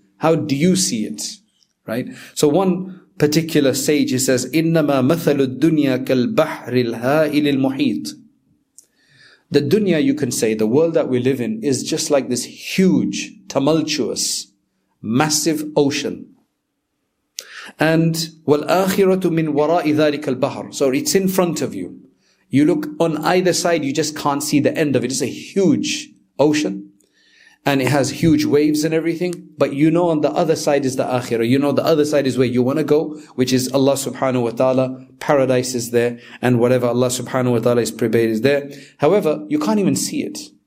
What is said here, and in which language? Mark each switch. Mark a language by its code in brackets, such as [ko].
[en] How do you see it? Right? So one particular sage, he says, [ar] إِنَّمَا مَثَلُ الدُّنْيَا كَالْبَحْرِ الْهَائِلِ الْمُحِيطِ. [en] The dunya, you can say, the world that we live in, is just like this huge, tumultuous, massive ocean. [ar] And وَالْآخِرَةُ مِنْ وَرَاءِ ذَلِكَ الْبَحْرِ. [en] So it's in front of you. You look on either side, you just can't see the end of it. It's a huge ocean. And it has huge waves and everything. But you know on the other side is the akhirah. You know the other side is where you want to go, which is Allah subhanahu wa ta'ala. Paradise is there. And whatever Allah subhanahu wa ta'ala is prepared is there. However, you can't even see it.